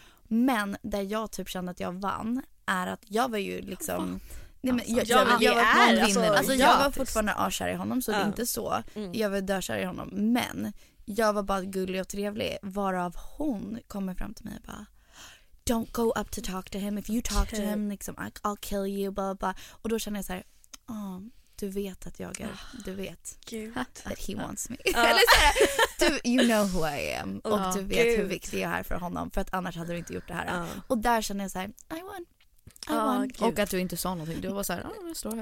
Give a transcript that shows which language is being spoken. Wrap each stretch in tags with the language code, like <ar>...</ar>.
<sv>Men där jag typ kände att jag vann är att jag var ju liksom jag var fortfarande kär i honom, så det är inte så. Jag var dökär i honom, men jag var bara gullig och trevlig, varav hon kommer fram till mig och bara,</sv> <en>don't go up to talk to him. If you talk to him, liksom, I'll kill you, blah, blah, blah.</en> <sv>Och då känner jag så här, oh, du vet att jag är, du vet</sv> <en>that he wants me.</en> <sv>Eller så här, du,</sv> <en>you know who I am.</en> <sv>Och du vet hur viktig jag är för honom, för att annars hade du inte gjort det här. Och där känner jag så här,</sv> <en>I won.</en> <sv>Och att du inte sa någonting. Du var så här, oh, jag står här.</sv>